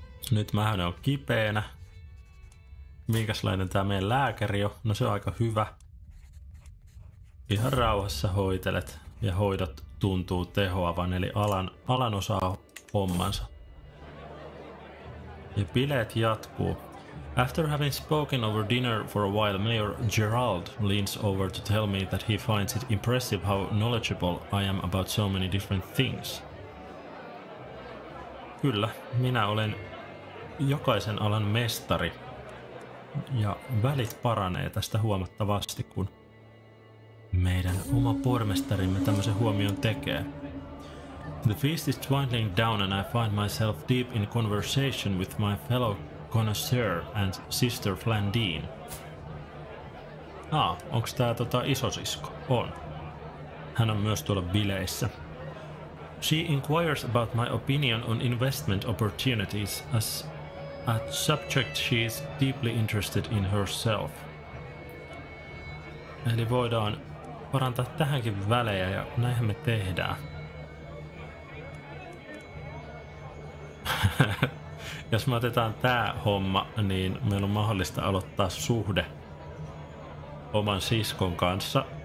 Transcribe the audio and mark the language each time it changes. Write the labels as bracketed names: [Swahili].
[Finnish] Nyt mähän on kipeänä. Minkäslainen tämä meidän lääkäri on? No se on aika hyvä. Ihan rauhassa hoitelet. Ja hoidot tuntuu tehoavan, eli alan osaa hommansa. Ja bileet jatkuu. [English] After having spoken over dinner for a while, Mayor Gerald leans over to tell me that he finds it impressive how knowledgeable I am about so many different things. [Finnish] Kyllä, minä olen jokaisen alan mestari. Ja välit paranee tästä huomattavasti, kun... Meidän oma pormestarimme tämmöisen huomion tekee. [English] The feast is dwindling down and I find myself deep in conversation with my fellow Connoisseur and Sister Flandine. [Finnish] Onks tää isosisko? On. Hän on myös tuolla bileissä. [English] She inquires about my opinion on investment opportunities as a subject she is deeply interested in herself. [Finnish] Eli voidaan parantaa tähänkin välejä ja näinhän me tehdään. Jos me otetaan tää homma, niin meillä on mahdollista aloittaa suhde oman siskon kanssa.